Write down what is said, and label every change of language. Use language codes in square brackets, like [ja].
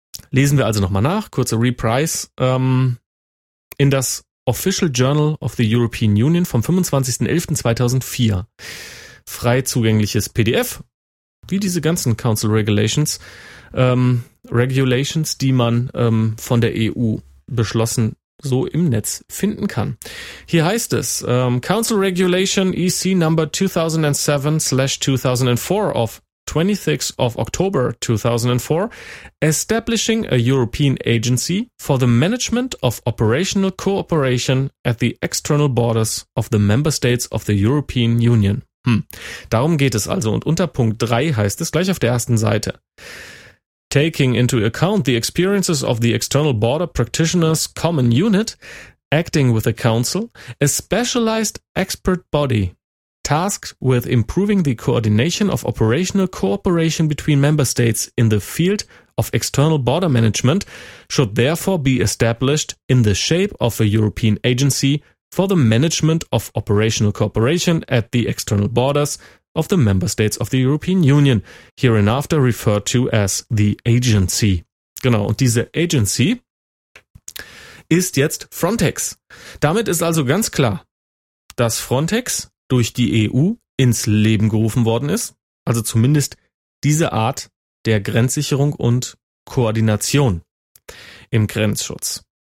[de] Lesen wir also nochmal nach, kurze Reprise. In das Official Journal of the European Union vom 25.11.2004. Frei zugängliches PDF. Wie diese ganzen Council Regulations, Regulations, die man von der EU beschlossen so im Netz finden kann. Hier heißt es, [en] Council Regulation EC Number 2007/2004 of 26th of October 2004, establishing a European agency for the management of operational cooperation at the external borders of the member states of the European Union. [de] Darum geht es also, und unter Punkt 3 heißt es gleich auf der ersten Seite: [en] Taking into account the experiences of the External Border Practitioners Common Unit, acting with the Council, a specialized expert body tasked with improving the coordination of operational cooperation between member states in the field of external border management, should therefore be established in the shape of a European agency for the management of operational cooperation at the external borders of the member states of the European Union, hereinafter referred to as the agency. [de] Genau, und diese Agency ist jetzt Frontex. Damit ist also ganz klar, dass Frontex durch die EU ins Leben gerufen worden ist, also zumindest diese Art der Grenzsicherung und Koordination im Grenzschutz.